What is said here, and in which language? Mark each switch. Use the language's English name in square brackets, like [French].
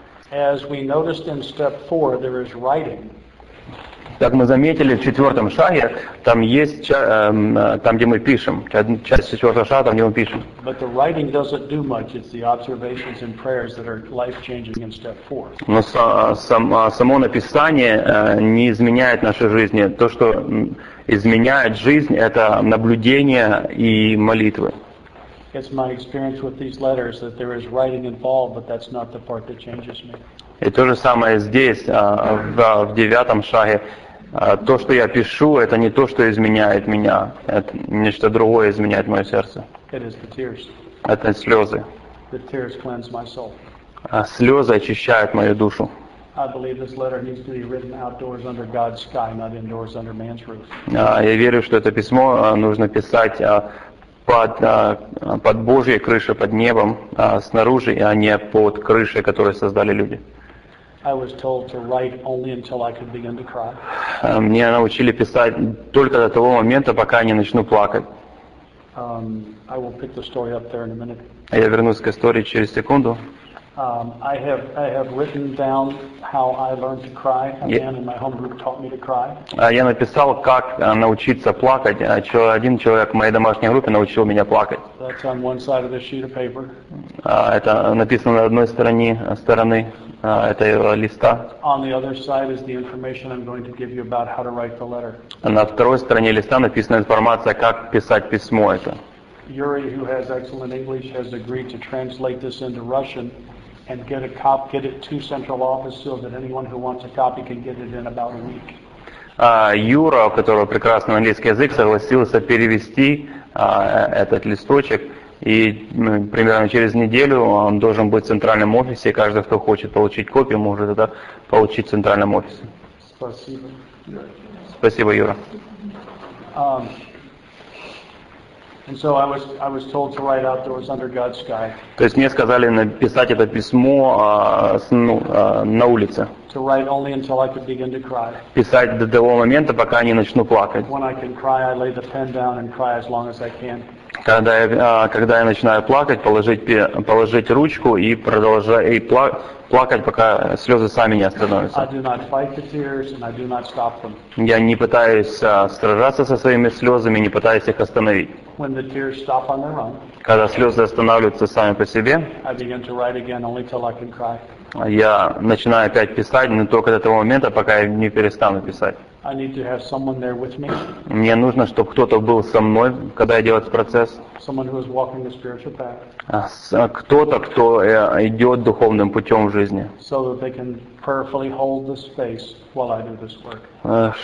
[English] As we noticed in step four, there is writing. [Russian] Как мы заметили в четвертом шаге, там есть там, где мы пишем. Часть четвертого шага, там, где мы пишем. [English] But the writing doesn't do much. It's the observations and prayers that are life-changing in step four. [Russian] Но само написание не изменяет нашей жизни. То, что изменяет жизнь, это наблюдение и молитвы. [English] It's my experience with these letters that there is writing involved, but that's not the part that changes me. [Russian] И то же самое здесь, в девятом шаге. То, что я пишу, это не то, что изменяет меня. Это нечто другое изменяет мое сердце. [English] It is the tears. [Russian] Это слезы. [English] The tears cleanse my soul. [Russian] Слезы очищают мою душу. [English] I believe this letter needs to be written outdoors under God's sky, not indoors under man's roof. [Russian] Я верю, что это письмо нужно писать под Божьей крышей, под небом, снаружи, а не под крышей, которую создали люди. [English] I was told to write only until I could begin to cry. [Russian] Мне научили писать только до того момента, пока я не начну плакать. [English] I will pick the story up there in a minute. [Russian] Я вернусь к истории через секунду. [English] I have written down how I learned to cry. Again, in my home group taught me to cry. [Russian] Я написал, как научиться плакать. Один человек в моей домашней группе научил меня плакать. [English] That's on one side of this sheet of paper. [Russian] Это написано на одной стороне этой листа. [English] On the other side is the information I'm going to give you about how to write the letter. [Russian] На второй стороне листа написана информация, как писать письмо это. [English] Yuri, who has excellent English, has agreed to translate this into Russian and get it to central office so that anyone who wants a copy can get it in about a week. [Russian] Юра, у которого прекрасный английский язык, согласился перевести этот листочек, и примерно через неделю он должен быть в центральном офисе, и каждый, кто хочет получить копию, может это получить в центральном офисе. Спасибо. Спасибо, Юра. [English] And so I was told to write outdoors under God's sky. [Russian] То есть мне сказали написать это письмо на улице. [English] To write only until I could begin to cry. [Russian] Писать до того момента, пока я не начну плакать. [English] When I can cry, I lay the pen down and cry as long as I can. [Russian] Когда я начинаю плакать, положить ручку и продолжать плакать, пока слезы сами не остановятся. [English] I do not fight the tears and I do not stop them. [Russian] Я не пытаюсь сражаться со своими слезами, не пытаюсь их остановить. [English] When the tears stop on their own, [Russian] когда слезы останавливаются сами по себе, [English] I begin to write again only till I can cry. [Russian] Я начинаю опять писать, но только до того момента, пока я не перестану писать. [English] I need to have someone there with me. [Russian] Мне нужно, чтобы кто-то был со мной, когда я делаю этот процесс. [English] Someone who is walking the spiritual path. [Russian] Кто-то, кто идет духовным путем в жизни. [English] So that they can prayerfully hold this space while I do this work.